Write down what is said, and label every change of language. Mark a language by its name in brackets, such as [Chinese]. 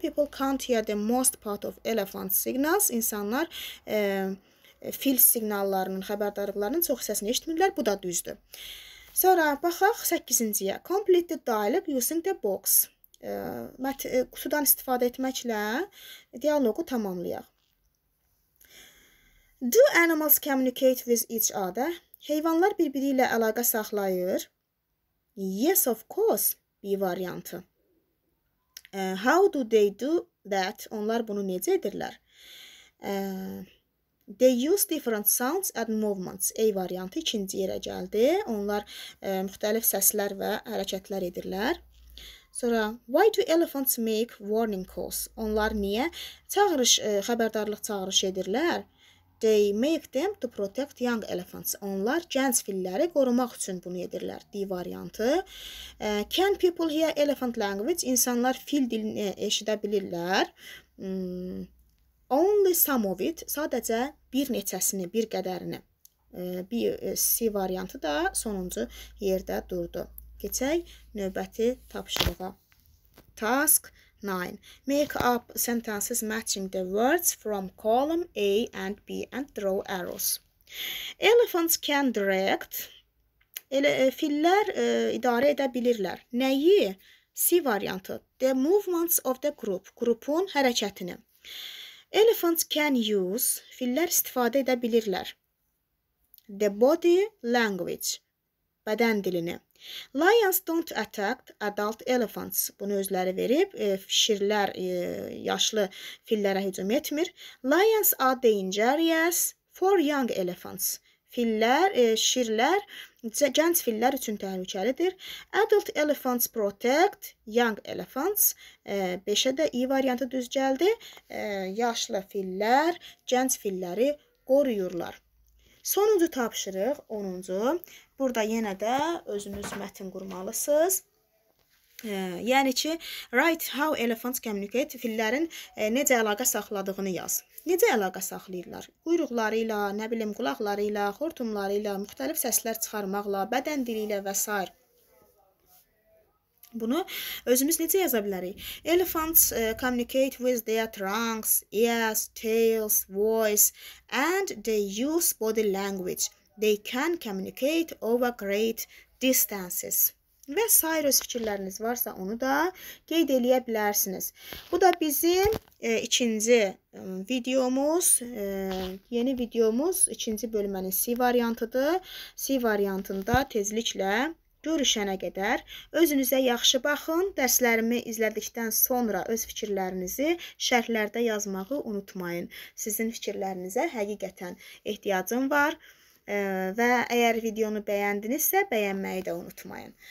[English] People can't hear the most part of elephant signals. [Azerbaijani] İnsanlar fil signallarının, xəbərdarlıqlarının çox hissəsini eşitmirlər. Bu da düzdür. Sonra baxaq 8-ciyə. [English] Complete the dialogue using the box. [Azerbaijani] Qutudan istifadə etməklə dialogu tamamlayaq. [English] Do animals communicate with each other? [Azerbaijani] Heyvanlar bir-biri ilə əlaqə saxlayır. [English] Yes, of course. [Azerbaijani] B variantı. [English] How do they do that? [Azerbaijani] Onlar bunu necə edirlər? [English] They use different sounds and movements. [Azerbaijani] A variantı ikinci yerə gəldi. Onlar müxtəlif səslər və hərəkətlər edirlər. Sonra, [English] why do elephants make warning calls? [Azerbaijani] Onlar niyə xəbərdarlıq çağırış edirlər? [English] They make them to protect young elephants. [Azerbaijani] Onlar gənc filləri qorumaq üçün bunu edirlər. D variantı. [English] Can people hear elephant language? [Azerbaijani] İnsanlar fil dilini eşidə bilirlər. [English] Only some of it. [Azerbaijani] Sadəcə bir neçəsini, bir qədərini. C variantı da sonuncu yerdə durdu. Keçək növbəti tapşırığa. [English] Task 9. Make up sentences matching the words from column A and B and draw arrows. Elephants can direct. [Azerbaijani] Fillər idarə edə bilirlər. Nəyi? C variantı. [English] The movements of the group. [Azerbaijani] Qrupun hərəkətini. [English] Elephants can use. [Azerbaijani] Fillər istifadə edə bilirlər. [English] The body language. [Azerbaijani] Bədən dilini. [English] Lions don't attack adult elephants. [Azerbaijani] Bunu özləri verib, şirlər yaşlı fillərə hücum etmir. [English] Lions are dangerous for young elephants. [Azerbaijani] Fillər, şirlər gənc fillər üçün təhlükəlidir. [English] Adult elephants protect young elephants. [Azerbaijani] 5-ə də i variantı düz gəldi. Yaşlı fillər gənc filləri qoruyurlar. Sonuncu tapşırıq, 10-cu. Burada yenə də özünüz mətn qurmalısınız. Yəni ki, [English] write how elephants communicate, [Azerbaijani] fillərin necə əlaqə saxladığını yaz. Necə əlaqə saxlayırlar? Quyruqları ilə, nə bilim, qulaqları ilə, xortumları ilə, müxtəlif səslər çıxarmaqla, bədən dili ilə və s. Bunu özümüz necə yaza bilərik? [English] Elephants communicate with their trunks, ears, tails, voice and they use body language. They can communicate over great distances. [Azerbaijani] və sairə fikirləriniz varsa onu da qeyd eləyə bilərsiniz. Bu da bizim ikinci videomuz, yeni videomuz ikinci bölmənin C variantıdır. C variantında tezliklə görüşənə qədər özünüzə yaxşı baxın. Dərslərimi izlədikdən sonra öz fikirlərinizi şərhlərdə yazmağı unutmayın. Sizin fikirlərinizə həqiqətən ehtiyacım var. Və əgər videonu bəyəndinizsə, bəyənməyi də unutmayın.